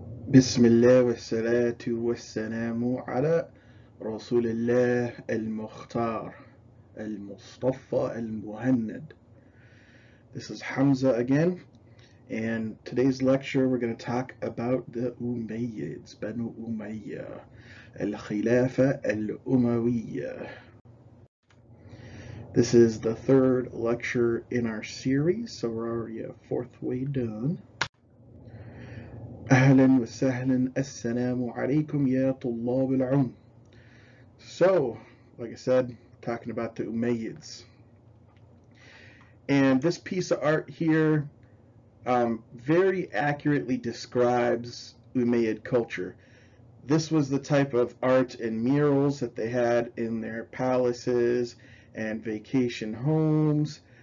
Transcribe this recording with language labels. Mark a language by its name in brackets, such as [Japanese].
[Arabic] بسم الله والصلاة والسلام على رسول الله المختار المصطفى المهند. [English] This is Hamza again, and today's lecture we're going to talk about the Umayyads, Banu Umayya, الخلافة الأموية. This is the third lecture in our series, so we're already a fourth way done. [Arabic] أهلا وسهلا السلام عليكم يا طلاب العلم. [English] So, like I said, talking about the Umayyads. And this piece of art here very accurately describes Umayyad culture. This was the type of art and murals that they had in their palaces and vacation homes.